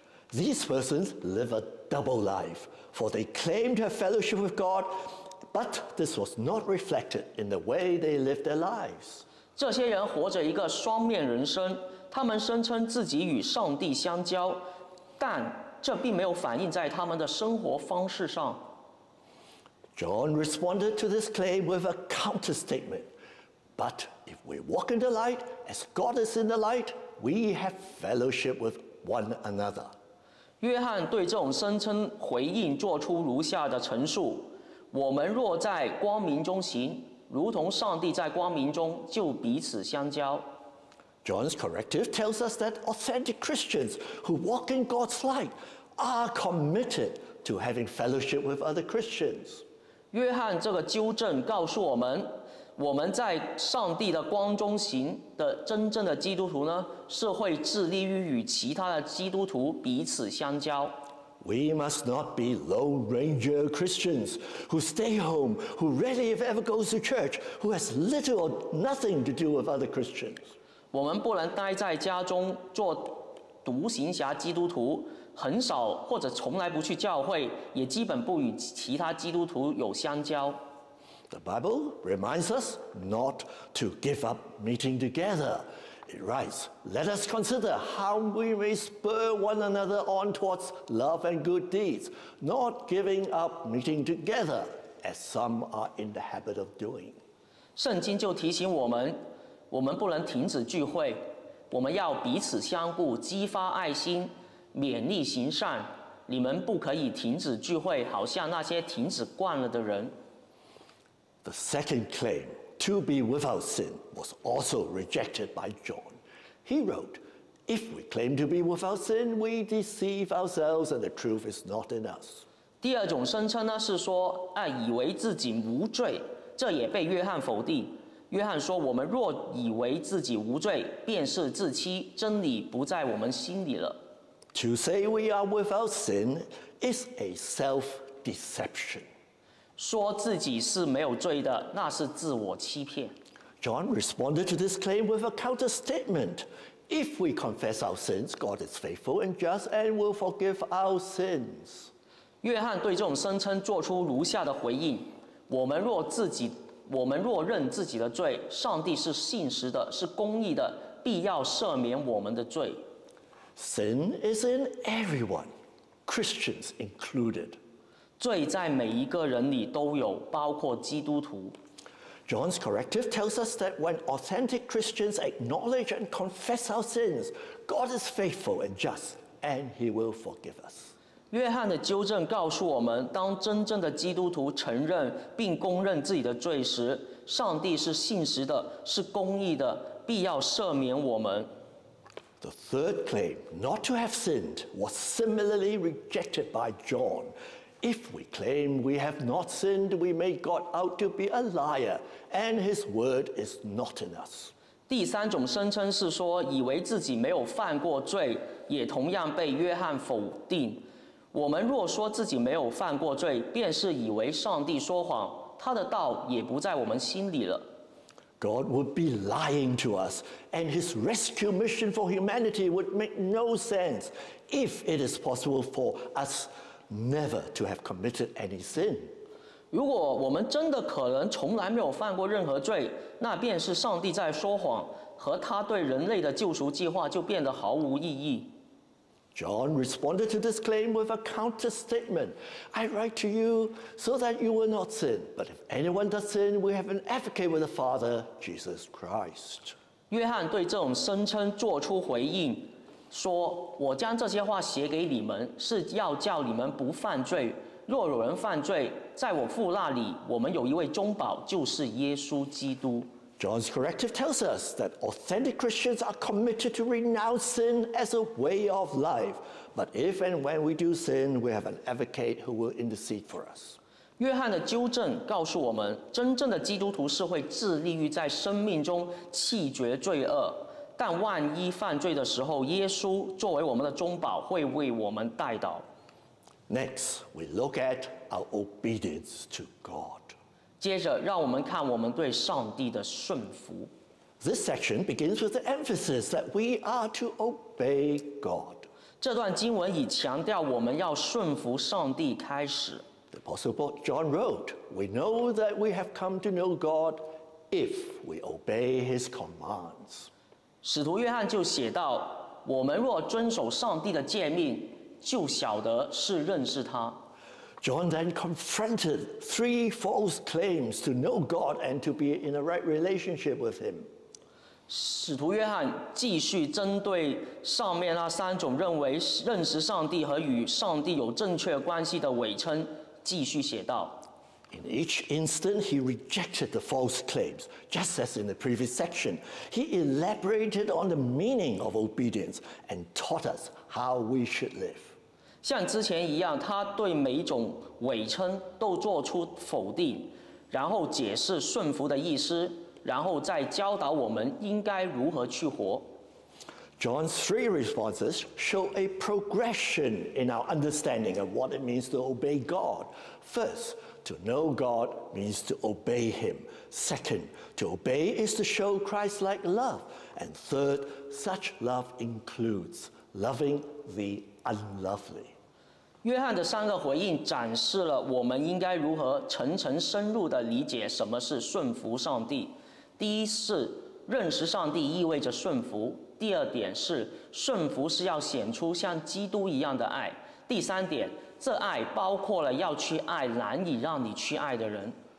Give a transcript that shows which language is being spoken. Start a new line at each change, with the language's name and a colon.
English: These persons live a double life, for they claim to have fellowship with God,But this was not reflected in the way they lived their lives.
Chinese: 这些人活着一个双面人生，他们声称自己与上帝相交，但这并没有反映在他们的生活方式上。
English: John responded to this claim with a counter statement. But if we walk in the light, as God is in the light, we have fellowship with one another.
Chinese: 约翰对这种声称回应做出如下的陈述。我们若在光明中行，如同上帝在光明中，就彼此相交。
English: John's corrective tells us that authentic Christians who walk in God's light are committed to having fellowship with other Christians.
Chinese: 约翰这个纠正告诉我们，我们在上帝的光中行的真正的基督徒呢，是会致力于与其他的基督徒彼此相交。
English: We must not be lone ranger Christians who stay home, who rarely if ever goes to church, who has little or nothing to do with other Christians.
Chinese: 我们不能待在家中做独行侠基督徒，很少或者从来不去教会，也基本不与其他基督徒有相交。
English: The Bible reminds us not to give up meeting together. It writes, let us consider how we may spur one another on towards love and good deeds, not giving up meeting together, as some are in the habit of doing.
Chinese: 圣经就提醒我们，我们不能停止聚会，我们要彼此相顾，激发爱心，勉励行善。你们不可以停止聚会，好像那些停止惯了的人。
English: The second claim,To be without sin was also rejected by John. He wrote, If we claim to be without sin, we deceive ourselves and the truth is not in us.
Chinese: 第二种声称呢是说、啊、以为自己无罪，这也被约翰否定。约翰说，我们若以为自己无罪，便是自欺，真理不在我们心里了。
English: To say we are without sin is a self-deception.
Chinese: 说自己是没有罪的，那是自我欺骗。
English: John responded to this claim with a counter statement. If we confess our sins, God is faithful and just and will forgive our sins.
Chinese: 约翰对这种声称做出如下的回应：我们若认自己的罪，上帝是信实的，是公义的，必要赦免我们的罪。
English: Sin is in everyone, Christians included.
Chinese: 罪在每一个人里都有，包括基督徒。
English: John's corrective tells us that when authentic Christians acknowledge and confess our sins, God is faithful and just, and He will forgive us.
Chinese: 约翰的纠正告诉我们，当真正的基督徒承认并公认自己的罪时，上帝是信实的，是公义的，必要赦免我们。
English: The third claim, not to have sinned, was similarly rejected by John. If we claim we have not sinned, we make God out to be a liar, and his word is not in us.
Chinese: 第三种声称是说，以为自己没有犯过罪，也同样被约翰否定。我们若说自己没有犯过罪，便是以为上帝说谎，他的道也不在我们心里了。
English: God would be lying to us, and His rescue mission for humanity would make no sense if it is possible for us never to have committed any sin.
Chinese: 如果我们真的可能从来没有犯过任何罪，那便是上帝在说谎，和他对人类的救赎计划就变得毫无意义。
English: John responded to this claim with a counter statement. I write to you so that you will not sin. But if anyone does sin, we have an advocate with the Father, Jesus Christ.
Chinese: 约翰对这种声称做出回应，说：我将这些话写给你们，是要叫你们不犯罪。若有人犯罪，在我父那里，我们有一位中保，就是耶稣基督。
English: John's corrective tells us that authentic Christians are committed to renounce sin as a way of life. But if and when we do sin, we have an advocate who will intercede for us.
Chinese: 约翰的纠正告诉我们，真正的基督徒是会致力于在生命中弃绝罪恶。但万一犯罪的时候，耶稣作为我们的中保会为我们代祷。
English: Next, we look at our obedience to God.
Chinese: 接着让我们看我们对上帝的顺服。
English: This section begins with the emphasis that we are to obey God.
Chinese: 这段经文以强调我们要顺服上帝开始。
English: The Apostle John wrote, We know that we have come to know God if we obey His commands.
Chinese: 使徒约翰就写道，我们若遵守上帝的诫命，就晓得是认识他。
English: John then confronted three false claims to know God and to be in a right relationship with Him.
Chinese: 使徒约翰继续针对上面那三种认为认识上帝和与上帝有正确关系的伪称，继续写道。
English: In each instance, he rejected the false claims, just as in the previous section. He elaborated on the meaning of obedience and taught us how we should live.
Chinese: 像之前一样，他对每一种伪称都做出否定，然后解释顺服的意思，然后再教导我们应该如何去活。
English: John's three responses show a progression in our understanding of what it means to obey God. First, to know God means to obey Him. Second, to obey is to show Christ-like love. And third, such love includes loving the unlovely.
Chinese: 约翰的三个回应展示了我们应该如何层层深入地理解什么是顺服上帝。第一是认识上帝意味着顺服，第二点是顺服是要显出像基督一样的爱，第三点这爱包括了要去爱难以让你去爱的人。